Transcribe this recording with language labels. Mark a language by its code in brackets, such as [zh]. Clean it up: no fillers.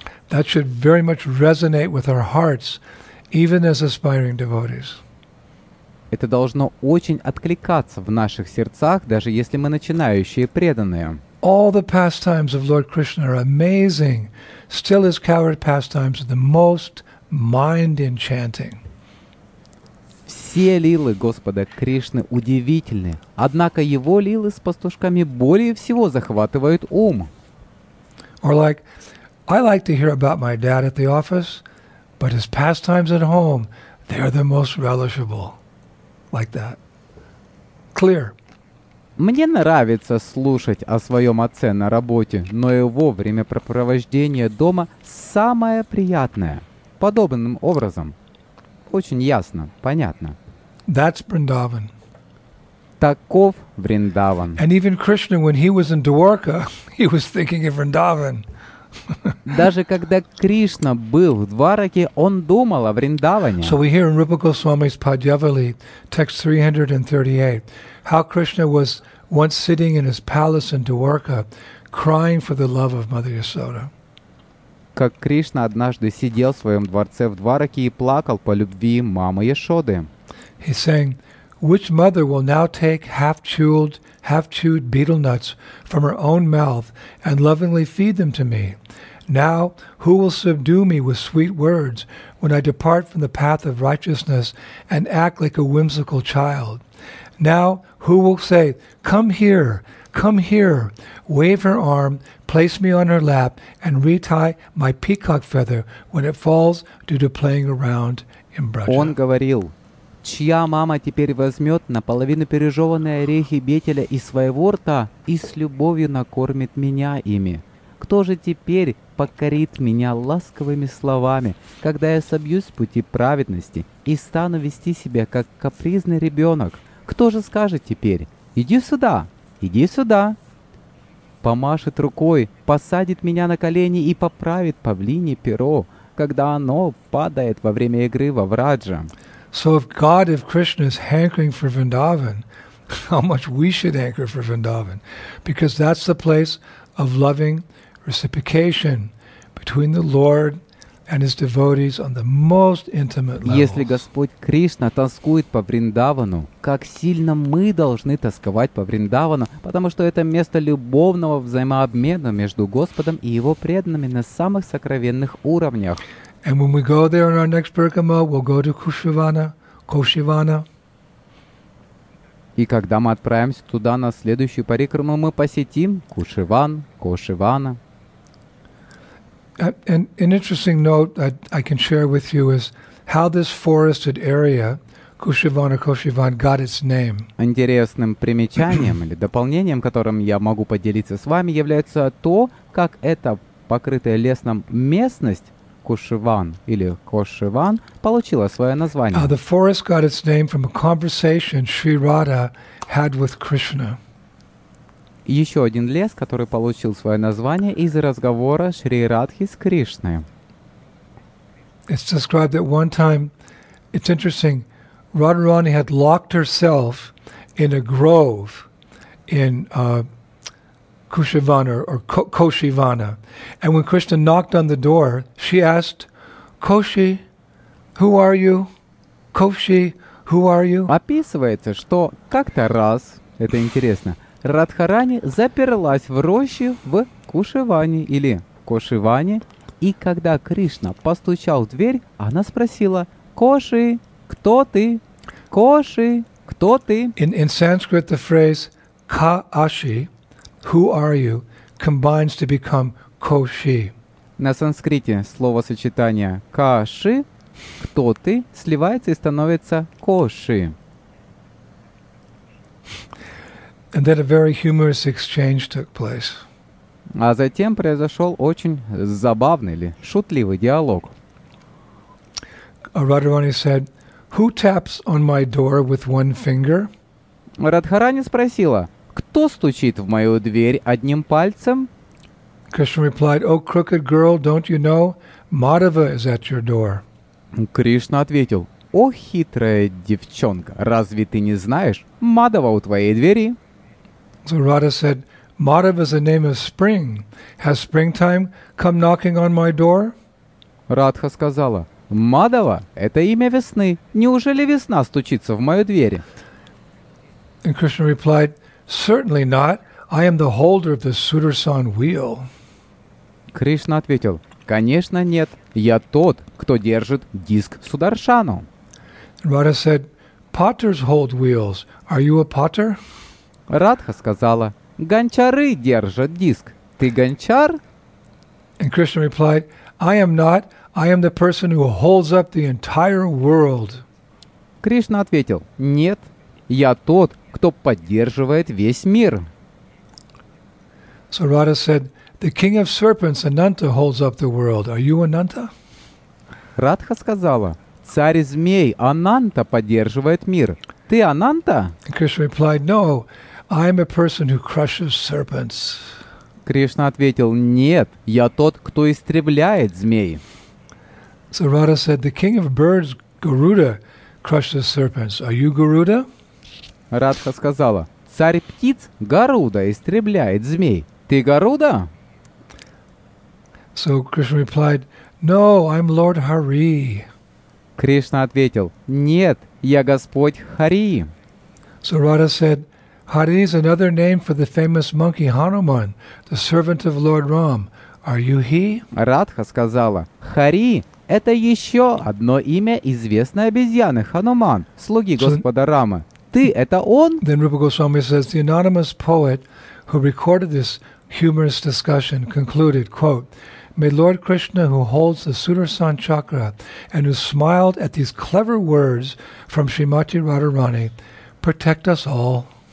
[en] That should very much resonate with our hearts, even as aspiring devotees. [ru] Это должно очень откликаться в наших сердцах, даже если мы начинающие преданные. [en] All the pastimes of Lord Krishna are amazing. Still his coward pastimes are the most mind-enchanting. [ru] Все лилы Господа Кришны удивительны, однако его лилы с пастушками более всего захватывают ум. [en] Or like, I like to hear about my dad at the office, but his pastimes at home, they're the most relishable. Like that. clear. [ru] Мне нравится слушать о своем отце на работе, но его времяпрепровождение дома самое приятное. Подобным образом. Очень ясно, понятно. [en] That's Vrindavan. [ru] Таков Вриндаван. [en] And even Krishna, when he was in Dwarka, he was thinking of Vrindavan. [ru] Даже когда Кришна был в Двараке, он думал о Вриндаване. [en] So we hear in Rupa Goswami's Padyavali, text 338, how Krishna was once sitting in his palace in Dwarka, crying for the love of Mother Yasoda. [ru] Как Кришна однажды сидел в своем дворце в Двараке и плакал по любви мамы Яшоды. [en] He's saying, which mother will now take half-chewed betel nuts from her own mouth and lovingly feed them to me? Now, who will subdue me with sweet words when I depart from the path of righteousness and act like a whimsical child? Now, who will say, come here, wave her arm, place me on her lap, and retie my peacock feather when it falls due to playing around in braja? [ru] Он говорил, чья мама теперь возьмет наполовину пережеванные орехи бетеля из своего рта и с любовью накормит меня ими? Кто же теперь покорит меня ласковыми словами, когда я собьюсь с пути праведности и стану вести себя как капризный ребенок? Кто же скажет теперь, иди сюда, иди сюда? Помашет рукой, посадит меня на колени и поправит павлинье перо, когда оно падает во время игры во враджа. [en] So if God, if Krishna is hankering for Vrindavan, how much we should hanker for Vrindavan? Because that's the place of loving reciprocation between the Lord and His devotees on the most intimate level. [ru] Если Господь Кришна тоскует по Вриндавану, как сильно мы должны тосковать по Вриндавану, потому что это место любовного взаимообмена между Господом и Его преданными на самых сокровенных уровнях. [en] And when we go there in our next parikrama, we'll go to Kushivana, Koshivana. [ru] И когда мы отправимся туда на следующую парикраму, мы посетим Кушиван, Кошивана. [en] An interesting note that I can share with you is how this forested area, Kushivana, Koshivan, got its name. [ru] Интересным примечанием или дополнением, которым я могу поделиться с вами, является то, как эта покрытая лесом местность Кушиван или Кошиван получила свое название. [en] The forest got its name from a conversation Sri Radha had with Krishna. [ru] Еще один лес, который получил свое название из разговора Шри Радхи с Кришной. [en] It's described that one time, it's interesting, Radharani had locked herself in a grove in Kushivana or Koshivana. And when Krishna knocked on the door, she asked, Koshi, who are you? Koshi, who are you? [ru] Описывается, что как-то раз, это интересно, Радхарани заперлась в роще в Кушиване или Кошиване, и когда Кришна постучал в дверь, она спросила, Коши, кто ты? Коши, кто ты? [en] In Sanskrit, the phrase Ka Ashi, who are you, combines to become Koshi. [ru] На санскрите словосочетание Каши, кто ты, сливается и становится Коши. [en] And then a very humorous exchange took place. [ru] А затем произошел очень забавный или шутливый диалог. [en] Radharani said, who taps on my door with one finger? [ru] Радхарани спросила, кто стучит в мою дверь одним пальцем? [en] Krishna replied, "O crooked girl, don't you know Madhava is at your door?" [ru] Кришна ответил, "О хитрая девчонка, разве ты не знаешь, Мадхава у твоей двери?" [en] So Radha said, "Madhava is the name of spring. Has springtime come knocking on my door?" [ru] Радха сказала, "Мадхава – это имя весны. Неужели весна стучится в мою дверь?" [en] And Krishna replied, "Certainly not. I am the holder of the Sudarshan wheel." [ru] Кришна ответил, конечно нет, я тот, кто держит диск Сударшану. [en] Radha said, potters hold wheels. Are you a potter? [ru] Радха сказала, гончары держат диск. Ты гончар? [en] And Krishna replied, I am not. I am the person who holds up the entire world. [ru] Кришна ответил, нет, я тот, кто поддерживает весь мир. [en] So Radha said, the king of serpents, Ananta, holds up the world. Are you Ananta? [ru] Радха сказала, царь змей, Ананта, поддерживает мир. Ты Ананта? [en] Krishna replied, no, I'm a person who crushes serpents. [ru] Кришна ответил, нет, я тот, кто истребляет змей. [en] So Radha said, the king of birds, Garuda, crushes serpents. Are you Garuda? [ru] Радха сказала, царь птиц, Гаруда, истребляет змей. Ты Гаруда? [en] So Krishna replied, no, I'm Lord Hari. [ru] Кришна ответил, нет, я Господь Хари. [en] So Radha said, Hari is another name for the famous monkey Hanuman, the servant of Lord Ram. Are you he? [ru] Радха сказала, Хари – это еще одно имя известной обезьяны Хануман, слуги Господа Рамы. Ты – это он? [en] Then Rupa Goswami says, the anonymous poet who recorded this humorous discussion concluded, quote, may Lord Krishna, who holds the Sudarshan Chakra and who smiled at these clever words from Srimati Radharani, protect us all.